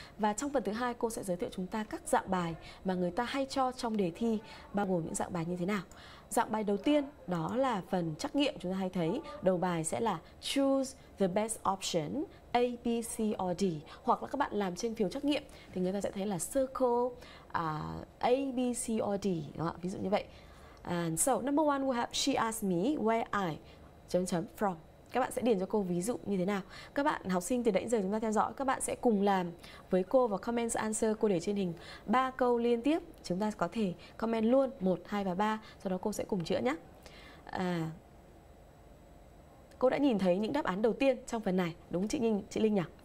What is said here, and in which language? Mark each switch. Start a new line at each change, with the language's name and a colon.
Vietnamese: Và trong phần thứ hai cô sẽ giới thiệu chúng ta các dạng bài mà người ta hay cho trong đề thi, bao gồm những dạng bài như thế nào. Dạng bài đầu tiên đó là phần trắc nghiệm, chúng ta hay thấy đầu bài sẽ là
English: choose the best option A, B, C, or D.
Vietnamese: Hoặc là các bạn làm trên phiếu trắc nghiệm thì người ta sẽ thấy là
English: circle A, B, C, or D,
Vietnamese: đúng không? Ví dụ như vậy.
English: And so number one we have she asked me where I
Vietnamese: chấm chấm
English: from.
Vietnamese: Các bạn sẽ điền cho cô ví dụ như thế nào. Các bạn học sinh từ nãy giờ chúng ta theo dõi, các bạn sẽ cùng làm với cô và comment answer. Cô để trên hình 3 câu liên tiếp, chúng ta có thể comment luôn 1, 2 và 3, sau đó cô sẽ cùng chữa nhé. Cô đã nhìn thấy những đáp án đầu tiên trong phần này, đúng chị Linh nhỉ?